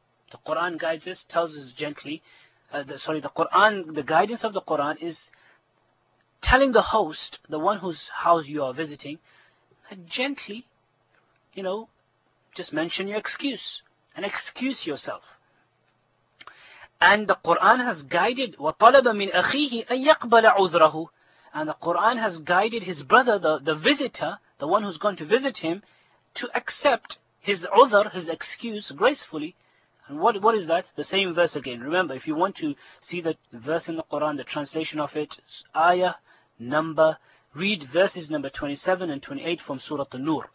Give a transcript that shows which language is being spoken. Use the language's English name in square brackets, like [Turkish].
[English] The Quran guides us, tells us gently, the guidance of the Quran is telling the host, the one whose house you are visiting, gently, you know, just mention your excuse and excuse yourself. And the Quran has guided, [Arabic] وَطَلَبَ مِنْ أَخِيهِ أَنْ يَقْبَلَ عُذْرَهُ. [English] And the Quran has guided his brother, the visitor, the one who's going to visit him, to accept his udhr, his excuse, gracefully. And what is that? The same verse again. Remember, if you want to see the verse in the Quran, the translation of it, ayah number, read verses number 27 and 28 from Surah An-Nur.